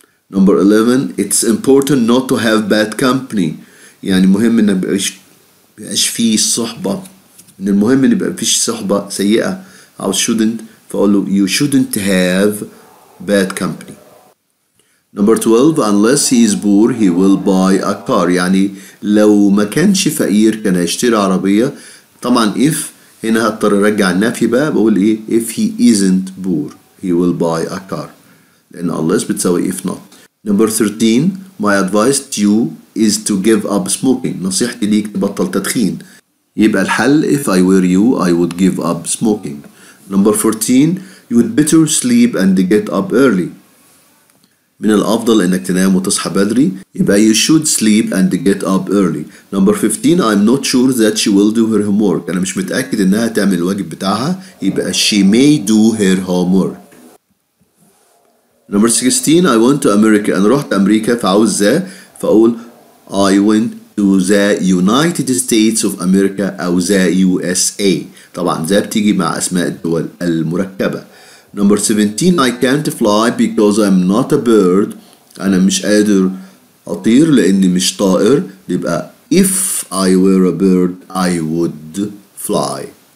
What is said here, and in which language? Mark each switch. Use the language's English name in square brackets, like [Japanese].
[English] Number 11, it's important not to have bad company. [Arabic] يعني مهم ان بيبقاش فيه صحبة, ان المهم ان يبقى فيش صحبة سيئة. [English] او shouldn't, فأقول you shouldn't have bad company. Number 12, unless he is poor, he will buy a car. [Arabic] يعني لو ما كانش فقير كان هيشتري عربية. طبعا if هنا هضطر ارجع النفي بقى, بقول ايه [English] if he isn't poor he will buy a car, [Arabic] لان unless بتساوي if not. [English] Number 13, my advice to you is to give up smoking. [Arabic] نصيحتي ليك تبطل تدخين. يبقى الحل [English] if I were you I would give up smoking. Number 14, you would better sleep and get up early. [Arabic] من الأفضل إنك تنام وتصحى بدري. [English] يبقى you should sleep and get up early. Number 15, I'm not sure that she will do her homework. [Arabic] أنا مش متأكد إنها تعمل الواجب بتاعها. [English] يبقى she may do her homework. Number 16, I went to America. [Arabic] أنا رحت أمريكا. فعاوز ذا فأقول [English] I went to the United States of America أو the USA. [Arabic] طبعا ذا بتيجي مع أسماء الدول المركبة. [English] Number 17, I can't fly because I'm not a bird. [Arabic] أنا مش قادر أطير لأني مش طائر. [English] يبقى if I were a bird I would fly.